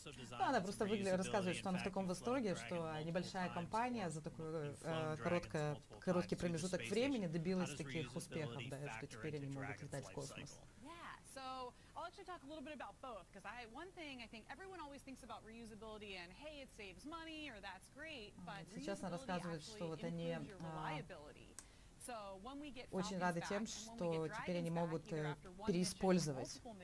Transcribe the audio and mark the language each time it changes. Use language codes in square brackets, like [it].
[ru] Да, она просто рассказывает, что она в таком восторге, что небольшая компания за такой короткий промежуток времени добилась таких успехов, да, что теперь они могут летать в космос. [en] I'll actually talk a little bit about both, because I think everyone always thinks about reusability and hey, it saves money or that's great, but reusability actually improves your reliability. So when we get [ru] очень рады тем, что теперь они могут переиспользовать.